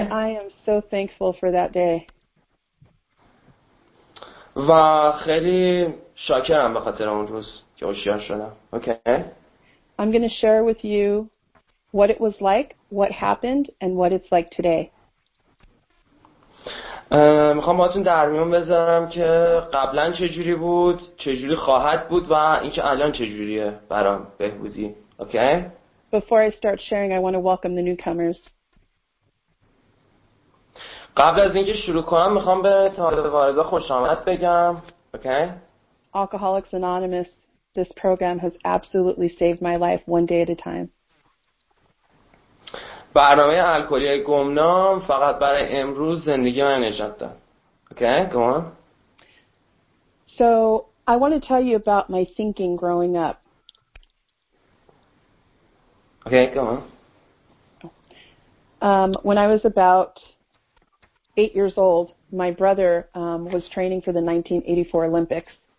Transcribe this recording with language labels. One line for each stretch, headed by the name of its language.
English: And I am so thankful for that day.
Persian: و خیلی شاکرم به خاطر اون روز که هوشیار شدم.
English: Okay. I'm going to share with you what it was like, what happened, and what it's like today.
Persian: میخوام باهاتون در میون بذارم که قبلا چه جوری بود، چه جوری خواهد بود و اینکه الان چه جوریه برام بهبودی.
English: Okay. Before I start sharing, I want to welcome the newcomers.
Persian: قبل از اینکه شروع کنم میخوام به تازه واردا خوش آمد بگم.
English: Okay. Alcoholics Anonymous, this program has absolutely saved my life one day at a time.
Persian: برنامه الکلی گمنام فقط برای امروز زندگی من نجات داد.
English: Okay, come on. So, I want to tell you about my thinking growing up. Okay, come on. When I was about 8 years old, my brother was training for the 1984 Olympics.